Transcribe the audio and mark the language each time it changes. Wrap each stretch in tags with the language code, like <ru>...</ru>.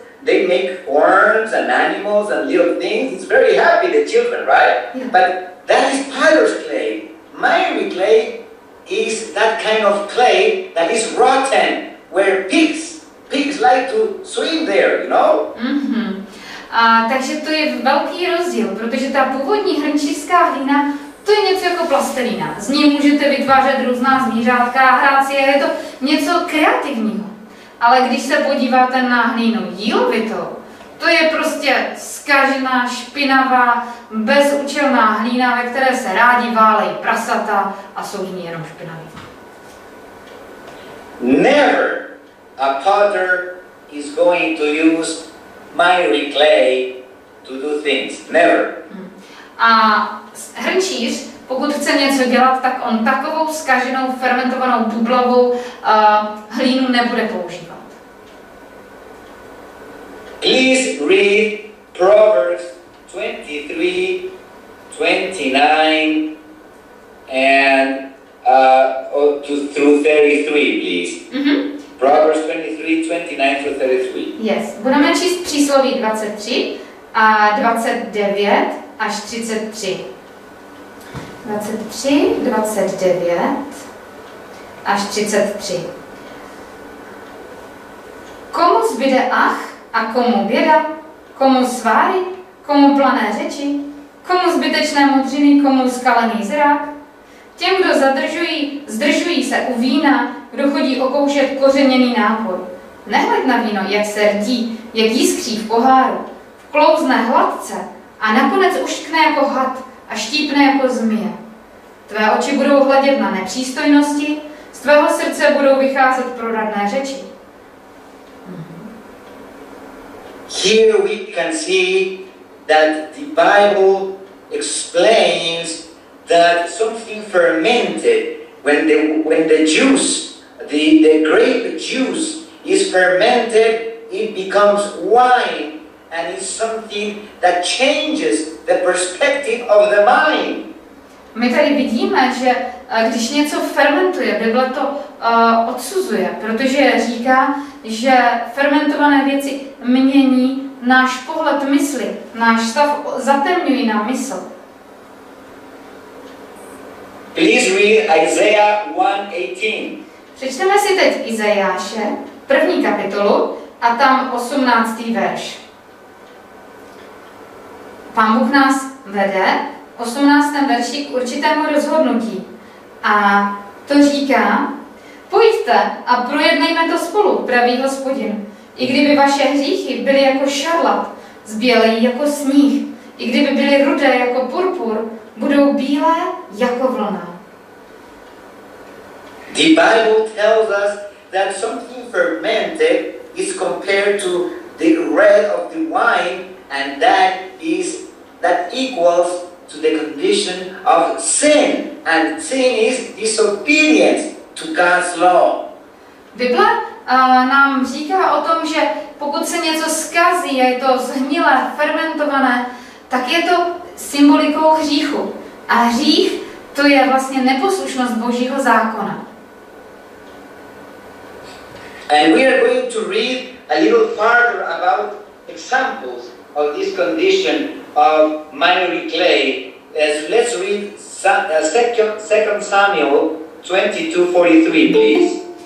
<en>They make worms and animals and little things. It's very happy, the children, right? Yeah. But that is potter's clay. Miry clay is that kind of clay that is rotten, where pigs like to swim there, you know? Mm-hmm.</en> <cs>Takže to je velký rozdíl, protože ta původní hrnčířská hlína, to je něco jako plastelina. Z ní můžete vytvářet různá zvířátka a hrát si, je to něco kreativního. Ale když se podíváte na hlínu jílovitou, To je prostě zkažená, špinavá, bezúčelná hlína, ve které se rádi válejí prasata a jsou z ní jenom špinaví.</cs> <en>Never a potter is going to use miry clay to do things. Never.</en> <cs>A hrnčíř, pokud chce něco dělat, tak on takovou zkaženou, fermentovanou bublovou hlínu nebude používat.</cs> <en>Please read Proverbs 23:29 and 33, please. Mm-hmm. Proverbs 23:29-33. Yes,</en> <cs>budeme číst přísloví 23 a 29 až 33. 23, 29 až 33. Komu zbyde ach? A komu běda, komu sváry, komu plané řeči, komu zbytečné modřiny, komu skalený zrak. Těm, kdo zadržují, zdržují se u vína, kdo chodí okoušet kořeněný nápor. Nehled na víno, jak se rdí, jak jiskří v poháru, vklouzne hladce a nakonec uštkne jako had a štípne jako zmije. Tvé oči budou hledět na nepřístojnosti, z tvého srdce budou vycházet proradné řeči.</cs> <en>Here we can see that the Bible explains that something fermented when the juice, the grape juice is fermented, it becomes wine, and it's something that changes the perspective of the mind.</en> <cs>My tady vidíme, že když něco fermentuje, Bible to odsuzuje, protože říká, že fermentované věci mění náš pohled mysli, náš stav, zatemňují nám mysl. Please read Isaiah 1:18. Přečteme si teď Izajáše, první kapitolu, a tam 18. verš. Pán Bůh nás vede v 18. verši k určitému rozhodnutí. A to říká, pojďte a projednejme to spolu, pravý Hospodin. I kdyby vaše hříchy byly jako šarlat, zbělejí jako sníh, i kdyby byly rudé jako purpur, budou bílé jako vlna.</cs> <en>The Bible tells us that something fermented is compared to the red of the wine, and that equals to the condition of sin, and sin is disobedience to God's law.</en> <cs>Bible nám říká o tom, že pokud se něco zkazí a je to zhnilé, fermentované, tak je to symbolikou hříchu. A hřích to je vlastně neposlušnost Božího zákona.</cs> <en>And we are going to read a little further about examples of this condition of miry clay. Let's read 2 Samuel 22:43, please.</en>